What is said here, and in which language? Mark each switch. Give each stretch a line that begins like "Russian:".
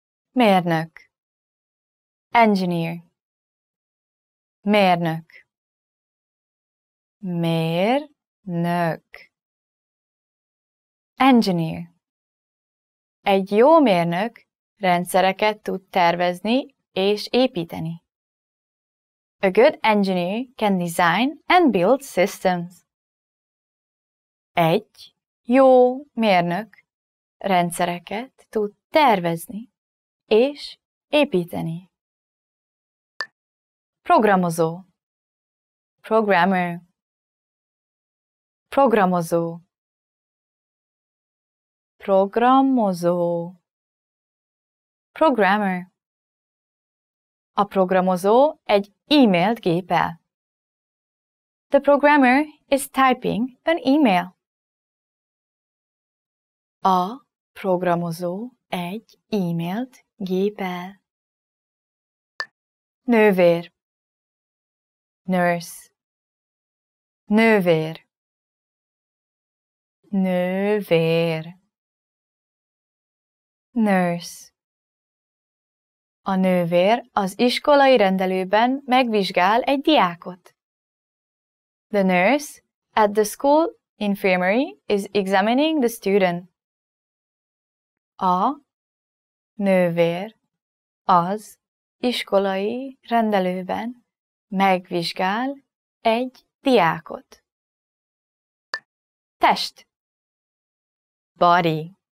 Hungarian: Mérnök.
English: Engineer.
Hungarian: Mérnök. Mérnök.
English: Engineer.
Hungarian: Egy jó mérnök rendszereket tud tervezni és építeni.
English: A good engineer can design and build systems.
Hungarian: Egy jó mérnök rendszereket tud tervezni és építeni. Programozo.
English: Programmer.
Hungarian: Programozo. Programozo.
English: Programmer.
Hungarian: A programozó egy e-mailt gépel.
English: The programmer is typing an email.
Hungarian: A programozó egy e-mailt gépel. Nővér.
English: Nurse.
Hungarian: Nővér. Nővér.
English: Nurse.
Hungarian: A nővér az iskolai rendelőben megvizsgál egy diákot.
English: The nurse at the school infirmary is examining the student.
Hungarian: A nővér az iskolai rendelőben megvizsgál egy diákot. Test.
English: Body.